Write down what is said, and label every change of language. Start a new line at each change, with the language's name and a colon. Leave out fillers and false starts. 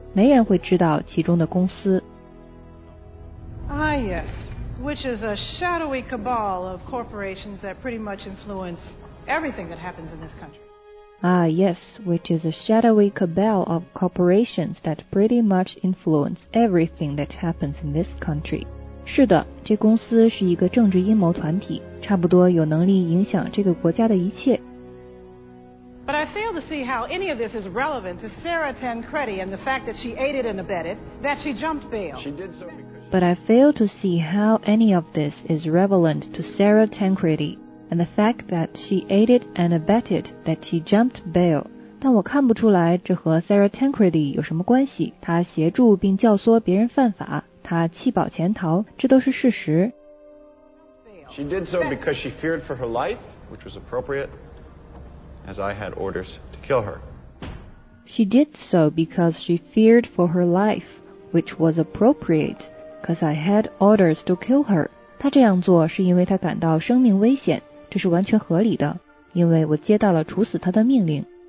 Chinese: 没人会知道其中的公司。
English: Ah, yes. Which is a shadowy cabal of corporations that pretty much influence everything that happens in this country. Ah, yes. Which is a shadowy cabal of corporations that pretty much influence everything that happens in this country.
Chinese: 是的，这公司是一个政治阴谋团体，差不多有能力影响这个国家的一切。
English: But I fail to see how any of this is relevant to Sarah Tancredi and the fact that she aided and abetted, that she jumped bail. She did so because... But I fail to see how any of this is relevant to Sarah Tancredi and the fact that she aided and abetted that she jumped bail.
Chinese: 但我看不出来这和 Sarah Tancredi 有什么关系，她协助并教唆别人犯法，她弃保潜逃，这都是事实。
English: She did so because she feared for her life, which was appropriate. As I had orders to kill her. She did so because she feared for her life, which was appropriate, because I had orders to kill her.
Chinese: 她这样做是因为她感到生命危险，这是完全合理的，因为我接到了处死她的命令。